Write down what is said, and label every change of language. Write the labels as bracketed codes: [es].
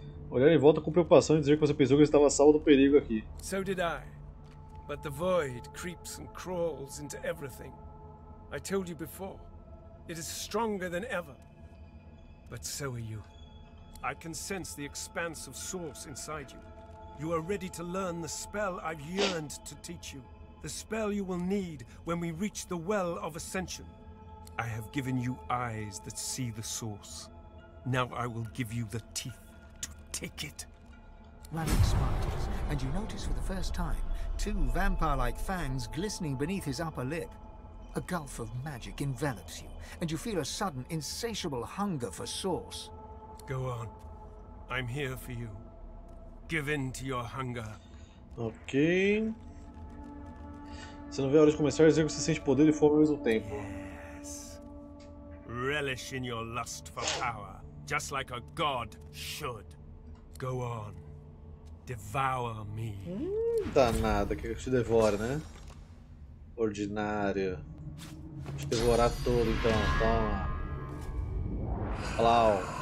[pt] Olhar em volta com preocupação e dizer que você pensou que ele estava salvo do perigo aqui. [en] So did I. But the void creeps and crawls into everything. I told you before, it is stronger than ever. But so are you. I can sense the expanse of source inside you. You are ready to learn the spell I've yearned to teach you. The spell you will need when we reach the Well of Ascension. I have given you eyes that see the source. Now I will give you the teeth to take it. Ralik smiles, and you notice for the first time two vampire-like fangs glistening beneath his upper lip. A gulf of magic envelops you, and you feel a sudden, insatiable hunger for source. Go on. I'm here for you. Give in to your hunger. Ok. [pt] Você não vê a hora de começar a dizer que você sente poder e fome ao mesmo tempo. [en] Yes. Relish in your lust for power, just like a god should. Go on. Devour me. [pt] Danada, que eu te devoro, né? Ordinário. Vou te devorar todo então, toma. Plau.